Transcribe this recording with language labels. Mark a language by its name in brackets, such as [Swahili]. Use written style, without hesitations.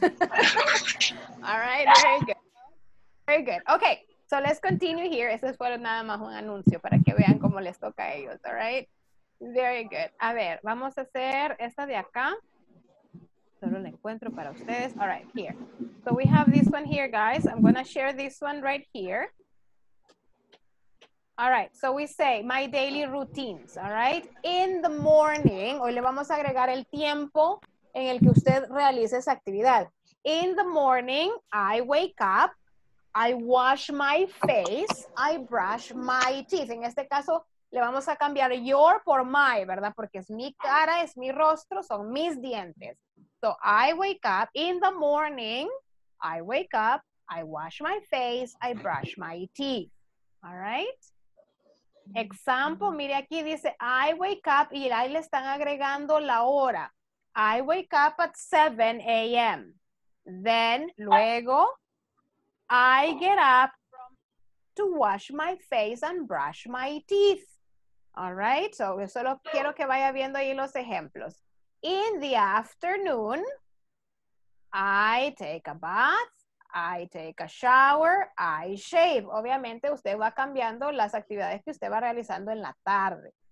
[English] All right, very good. Very good. Okay, so let's continue here. [Spanish] Ese fue nada más un anuncio para que vean cómo les toca a ellos. [English] All right? Very good. [Spanish] A ver, vamos a hacer esta de acá. Solo la encuentro para ustedes. [English] All right, here. So we have this one here, guys. I'm going to share this one right here. All right, so we say my daily routines, all right? In the morning, [Spanish] hoy le vamos a agregar el tiempo en el que usted realiza esa actividad. [English] In the morning, I wake up, I wash my face, I brush my teeth. [Spanish] En este caso, le vamos a cambiar your por my, ¿verdad? Porque es mi cara, es mi rostro, son mis dientes. [English] So, I wake up in the morning, I wake up, I wash my face, I brush my teeth, all right? Example, [Spanish] mire aquí, dice, [English] I wake up, [Spanish] y ahí le están agregando la hora. [English] I wake up at 7 a.m. Then, [Spanish] luego, [English] I get up to wash my face and brush my teeth. All right, so [Spanish] yo solo quiero que vaya viendo ahí los ejemplos. [English] In the afternoon, I take a bath. I take a shower, I shave. [Spanish] Obviamente, usted va cambiando las actividades que usted va realizando en la tarde.